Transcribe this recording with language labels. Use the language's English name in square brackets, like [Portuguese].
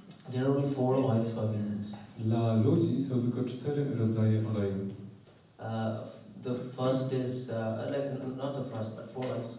[English] there are only four oils for humans. [Polish] Dla ludzi są tylko cztery rodzaje oleju. [English] The first is, like, not the first, but four oils.